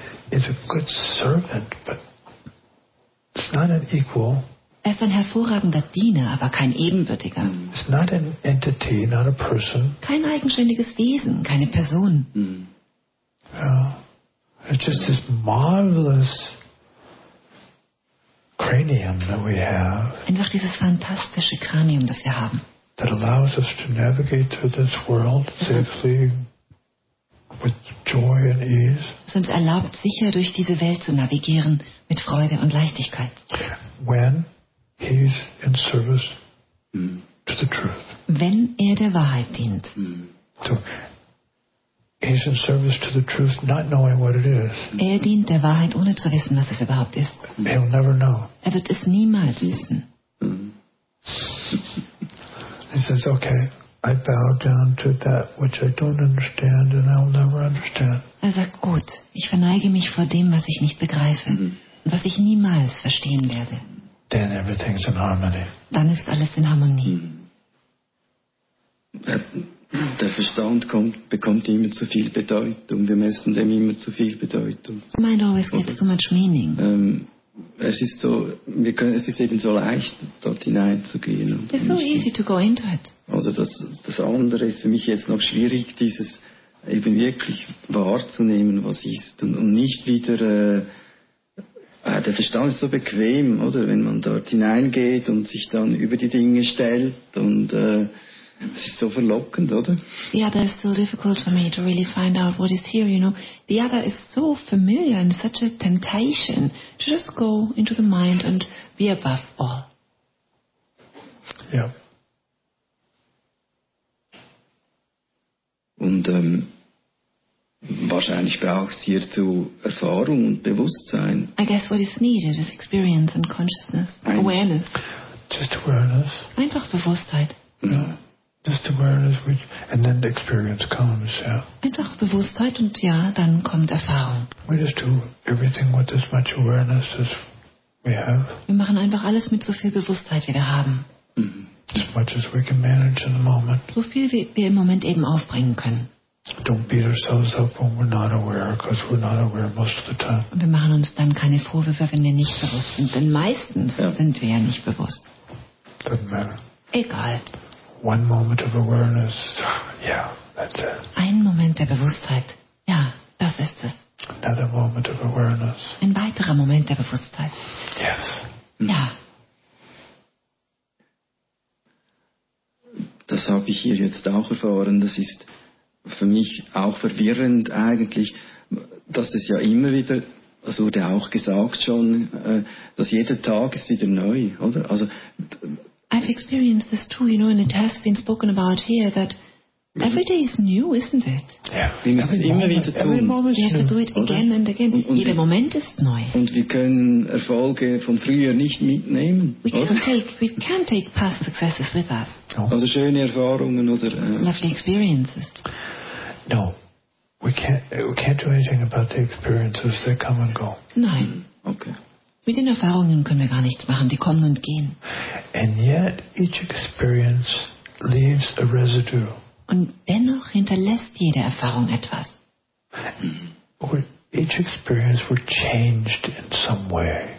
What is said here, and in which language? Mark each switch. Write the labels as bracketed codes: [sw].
[en] It's a good servant, but it's not an equal. [de] Er ist ein hervorragender Diener, aber kein ebenbürtiger. [en] It's not an entity, not a person. [de] Kein eigenständiges Wesen, keine Person. [en] Yeah. It's just this marvelous cranium that we have. [de] Einfach dieses fantastische Kranium, das wir haben. [en] That allows us to navigate through this world safely, with joy and ease. [de] Es uns erlaubt, sicher durch diese Welt zu navigieren, mit Freude und Leichtigkeit. [en] When he's in service to the truth. [de] Wenn er der Wahrheit dient. [en] So, he's in service to the truth, not knowing what it is. [de] Er dient der Wahrheit, ohne zu wissen, was es überhaupt ist. [en] He'll never know. [de] Er wird es niemals wissen. [en] He says, okay, I bow down to that which I don't understand and I'll never understand. [de] Er sagt, gut, ich verneige mich vor dem, was ich nicht begreife und was ich niemals verstehen werde. [en] Then everything's in harmony. [de] Dann ist alles in Harmonie. Der Verstand bekommt immer zu viel Bedeutung. Wir messen dem immer zu viel Bedeutung. [en] The mind always gets too much meaning. [de] Es ist eben so leicht, dort hineinzugehen. [en] It's so easy to go into it. [de] Oder das andere ist für mich jetzt noch schwierig, dieses eben wirklich wahrzunehmen, was ist. Und nicht wieder... der Verstand ist so bequem, oder? Wenn man dort hineingeht und sich dann über die Dinge stellt und... Es ist so verlockend, oder? [en] The other is still difficult for me to really find out what is here, you know. The other is so familiar and such a temptation to just go into the mind and be above all. Yeah. [de] Und wahrscheinlich braucht es hierzu Erfahrung und Bewusstsein. [en] I guess what is needed is experience and consciousness, awareness. Just awareness. [de] Einfach Bewusstheit. Ja. [en] Just awareness, which, and then the experience comes, yeah. [de] Einfach Bewusstheit und ja, dann kommt Erfahrung. [en] We just do everything with as much awareness as we have. [de] Wir machen einfach alles mit so viel Bewusstheit, wie wir haben. [en] As much as we can manage in the moment. [de] So viel, wie wir im Moment eben aufbringen können. [en] Don't beat ourselves up when we're not aware, because we're not aware most of the time. [de] Und wir machen uns dann keine Vorwürfe, wenn wir nicht bewusst sind, denn meistens sind wir ja nicht bewusst. [en] Doesn't matter. [de] Egal. [en] One moment of awareness, yeah, that's it. [de] Ein Moment der Bewusstheit, ja, das ist es. [en] Another moment of awareness. [de] Ein weiterer Moment der Bewusstheit. [en] Yes. [de] Ja. Das habe ich hier jetzt auch erfahren. Das ist für mich auch verwirrend eigentlich, dass es ja immer wieder, das wurde auch gesagt schon, dass jeder Tag ist wieder neu, oder? Also [en] I've experienced this too, you know, and it has been spoken about here that Every day is new, isn't it? [de] Ja, wir müssen es immer wieder tun. [en] Every moment is new. Again and again. [de] Jeder Moment ist neu. Und wir können Erfolge vom Frühjahr nicht mitnehmen. [en] We can't take past successes with us. No. [de] Also schöne Erfahrungen oder [en] lovely experiences. No. We can't do anything about the experiences that come and go. [de] Nein. [en] Okay. [de] Mit den Erfahrungen können wir gar nichts machen, die kommen und gehen. [en] And yet each experience leaves a residue. [de] Und dennoch hinterlässt jede Erfahrung etwas. [en] Each experience we're changed in some way.